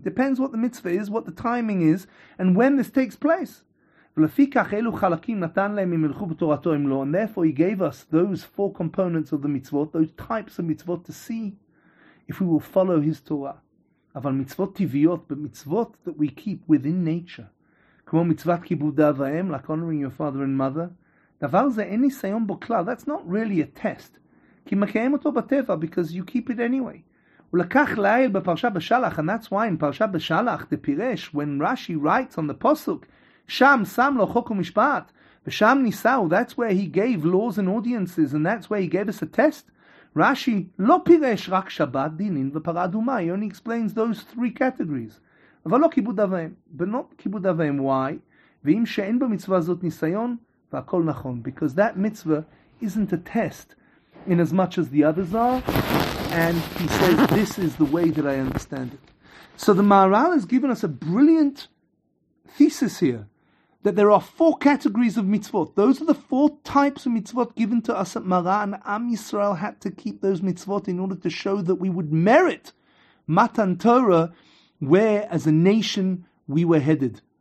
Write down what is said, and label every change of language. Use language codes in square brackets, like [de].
[en] Depends what the mitzvah is, what the timing is, and when this takes place. And therefore he gave us those four components of the mitzvot, those types of mitzvot, to see if we will follow his Torah. [he] Aval mitzvot tiviyot, [en] but mitzvot that we keep within nature. [he] כמו מצוות כיבוד אב ואם, [en] like honoring your father and mother, [he] דבר זה אין ניסיון בו כלל, [en] that's not really a test, [he] כי מקיים אותו בטבע, [en] because you keep it anyway. [he] ולקח לעיל בפרשה בשלח, [en] and that's why in פרשה בשלח, the פירש, when Rashi writes on the פוסוק, [he] שם שם לו חוק ומשפט, ושם ניסהו, [en] that's where he gave laws and audiences, and that's where he gave us a test, Rashi [he] לא פירש רק שבת, דינין ופרה אדומה, [en] he only explains those three categories. [he] אבל לא כיבוד אביהם, [en] but not [he] כיבוד אביהם, why? ואם שאין במצווה הזאת ניסיון, והכל נכון. [en] Because that mitzvah isn't a test in as much as the others are, and he says, this is the way that I understand it. So the Maharal has given us a brilliant thesis here, that there are four categories of mitzvot. Those are the four types of mitzvot given to us at Marah, and Am Yisrael had to keep those mitzvot in order to show that we would merit Matan Torah, where, as a nation, we were headed.